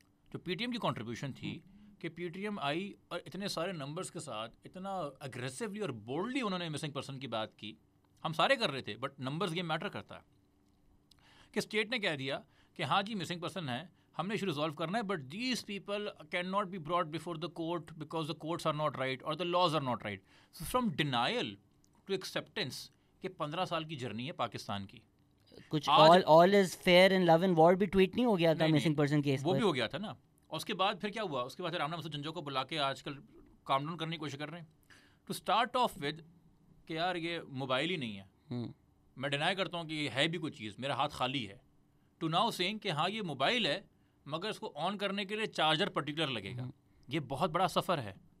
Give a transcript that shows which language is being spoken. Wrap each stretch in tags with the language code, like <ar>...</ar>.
<ur>جو P T M کی contribution تھی کہ پی ٹی ایم آئی اور اتنے سارے نمبرز کے ساتھ اتنا اگریسولی اور بولڈلی انہوں نے مسنگ پرسن کی بات کی, ہم سارے کر رہے تھے بٹ نمبرز گیم میٹر کرتا ہے, کہ اسٹیٹ نے کہہ دیا کہ ہاں جی مسنگ پرسن ہے, ہم نے اس ریزالو کرنا ہے,</ur> <en>but these people can not be brought before the court because the courts are not right</en> <ur>اور the laws are not right.</ur> <en>so from denial to acceptance,</en> <ur>کہ 15 سال کی جرنی ہے پاکستان کی. کچھ</ur> <en>all is fair in love and war</en> <ur>بھی tweet نہیں ہو گیا تھا missing person case پر, وہ بھی ہو گیا تھا نا. اس کے بعد پھر کیا ہوا, اس کے بعد رامنا مسعود جنجوعہ کو بلا کے آج کل کام ڈاؤن کرنے کی کوشش کر رہے ہیں, ٹو اسٹارٹ آف ود کہ یار یہ موبائل ہی نہیں ہے, میں ڈینائی کرتا ہوں کہ یہ ہے بھی کوئی چیز, میرا ہاتھ خالی ہے, ٹو ناؤ سینگ کہ ہاں یہ موبائل ہے مگر اس کو آن کرنے کے لیے چارجر پرٹیکولر لگے گا, یہ بہت بڑا سفر ہے.</ur>